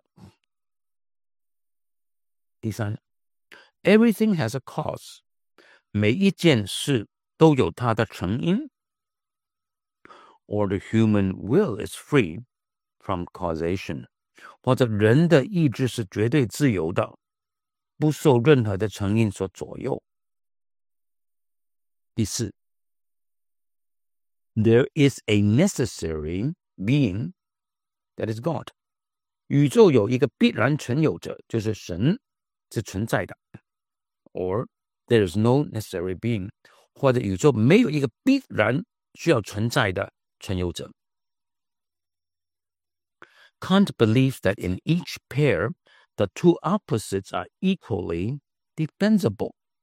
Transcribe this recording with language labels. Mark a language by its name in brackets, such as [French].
[Chinese] 或者世界是有原子组成的,原子是不能再分的。第三, [English] Everything has a cause. [Chinese] 每一件事都有它的成因。 [English] Or the human will is free from causation. [Chinese] 或者人的意志是绝对自由的,不受任何的成因所左右。第四, [English] There is a necessary being that is God. [Chinese] 宇宙有一个必然存有者,就是神,是存在的。 [English] Or there is no necessary being. [Chinese] 或者宇宙没有一个必然需要存在的。 [English] Kant believes that in each pair, the two opposites are equally defensible.